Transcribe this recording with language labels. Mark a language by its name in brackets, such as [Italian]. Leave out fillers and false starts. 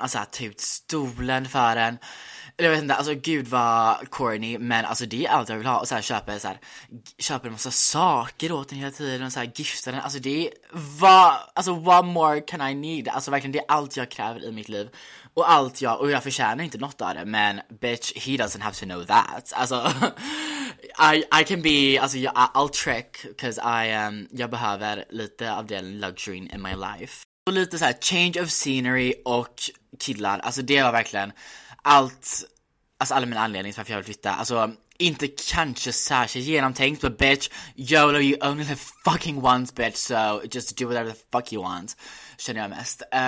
[Swedish] Alltså att ta ut stolen för en, eller jag vet inte, alltså gud vad corny. Men alltså det är allt jag vill ha. Och så här köpa en massa saker åt den hela tiden. Och så här gifta den. Alltså det är, alltså [English] what more can I need? [Swedish] Alltså verkligen, det är allt jag kräver i mitt liv. Och allt jag, och jag förtjänar inte något av det. [English] Men bitch, he doesn't have to know that. Alltså I can be, alltså I'll trick. Cause [Swedish] jag behöver lite av den [English] luxury in my life. [Swedish] Och lite så här [English] change of scenery [Swedish] och killar. Alltså det var verkligen allt, alltså alla mina anledningar till varför jag vill flytta. Alltså inte kanske särskilt genomtänkt, [English] but bitch, YOLO, you only live fucking once, bitch, so just do whatever the fuck you want, [Swedish] känner jag mest.